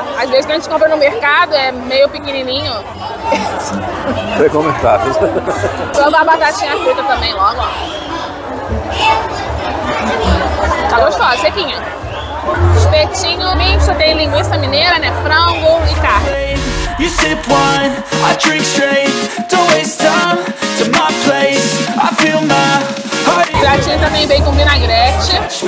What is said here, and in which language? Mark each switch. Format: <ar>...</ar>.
<pt>Às vezes que a gente compra no mercado é meio pequenininho. Recomendado. Vou dar batatinha frita também logo, ó. Tá gostosa, sequinha. Espetinho, misto, tem linguiça mineira, né? Frango e carne.</pt> <en>You sip wine, I drink straight. Don't waste time to my place. I feel my heart.</en> <pt>Gratinho também vem com vinagrete.</pt>